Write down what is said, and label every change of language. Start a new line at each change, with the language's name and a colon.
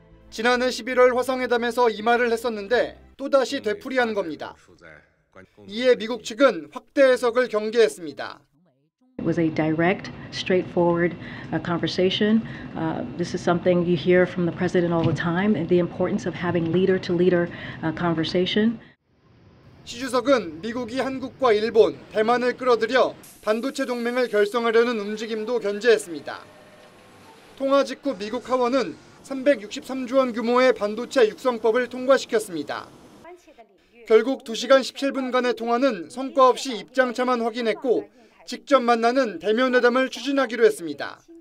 Korean: 지난해 11월 화성회담에서 이 말을 했었는데 또다시 되풀이한 겁니다. 이에 미국 측은 확대 해석을 경계했습니다.
English: It was a direct, straightforward conversation. This is something you hear from the president all the time, the importance of having leader-to-leader conversation.
Korean: 시 주석은 미국이 한국과 일본, 대만을 끌어들여 반도체 동맹을 결성하려는 움직임도 견제했습니다. 통화 직후 미국 하원은 363조 원 규모의 반도체 육성법을 통과시켰습니다. 결국 2시간 17분간의 통화는 성과 없이 입장차만 확인했고 직접 만나는 대면회담을 추진하기로 했습니다.